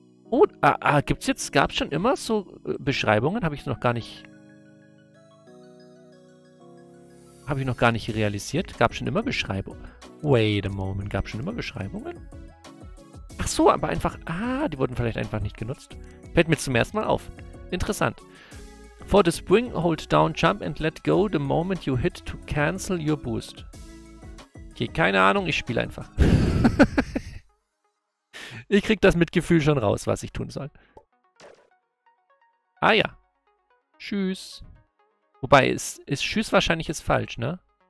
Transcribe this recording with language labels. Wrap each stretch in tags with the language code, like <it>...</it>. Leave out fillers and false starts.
<de>Oh, gab es schon immer so Beschreibungen? Habe ich noch gar nicht realisiert. Gab es schon immer Beschreibungen?</de> <en>Wait a moment,</en> <de>gab es schon immer Beschreibungen? Ach so, aber einfach... Ah, die wurden vielleicht einfach nicht genutzt. Fällt mir zum ersten Mal auf. Interessant.</de> <en>For the spring, hold down, jump and let go the moment you hit to cancel your boost.</en> <de>Okay, keine Ahnung, ich spiele einfach. Ich krieg das mit Gefühl schon raus, was ich tun soll. Ah ja. Tschüss. Wobei, ist tschüss wahrscheinlich ist falsch, ne?</de>